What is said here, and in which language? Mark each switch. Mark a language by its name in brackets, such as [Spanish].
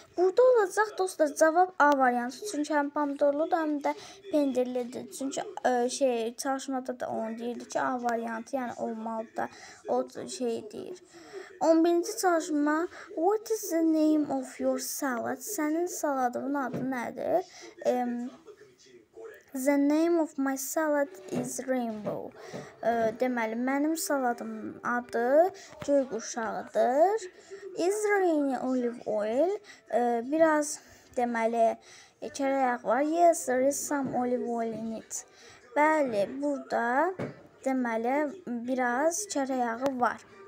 [Azerbaijani] Burada olacaq, dostlar, cavab A variantı. Çünki həm pomidorlu da, həm də pendirlidir. Çünki çalışmada da onu deyirdi ki, A variantı, yəni olmalı da o şey deyir. 11-ci çalışma. [English] What is the name of your salad? [Azerbaijani] Sənin saladının adı nədir? [English] The name of my salad is rainbow. [Azerbaijani] Deməli, mənim saladımın adı göy qurşağıdır. [English] Is there any olive oil? [Azerbaijani] Biraz, deməli, kərəyəq var. [English] Yes, there is some olive oil in it. [Azerbaijani] Bəli, burada, deməli, biraz kərəyəqi var.